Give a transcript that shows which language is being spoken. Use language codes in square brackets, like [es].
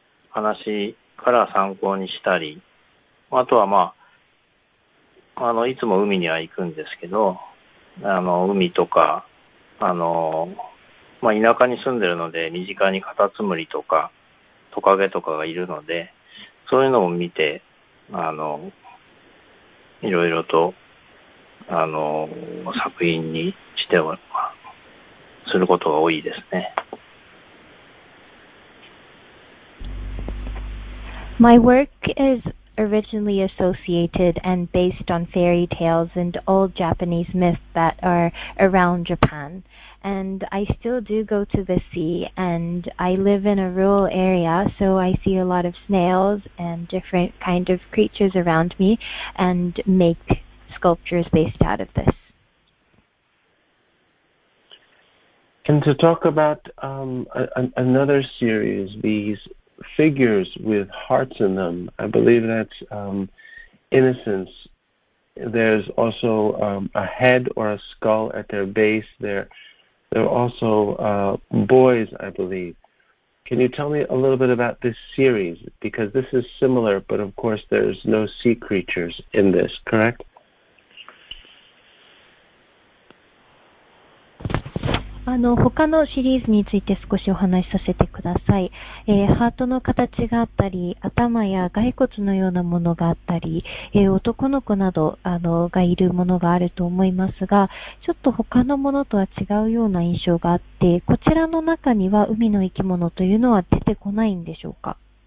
[ja] 話から参考にしたり、あとはいつも海には行くんですけど、海とか、田舎に住んでるので、身近にカタツムリとか、トカゲとかがいるので、そういうのを見て、いろいろと、作品にしては、することが多いですね。 [en] My work is originally associated and based on fairy tales and old Japanese myths that are around Japan. And I still do go to the sea, and I live in a rural area, so I see a lot of snails and different kind of creatures around me and make sculptures based out of this. And to talk about another series, these figures with hearts in them, I believe that's Innocence. There's also a head or a skull at their base there. There are also boys, I believe. Can you tell me a little bit about this series? Because this is similar, but of course there's no sea creatures in this, correct? [ja] あの他のシリーズについて少しお話しさせてください、ハートの形があったり頭や骸骨のようなものがあったり、男の子などがいるものがあると思いますがちょっと他のものとは違うような印象があってこちらの中には海の生き物というのは出てこないんでしょうか？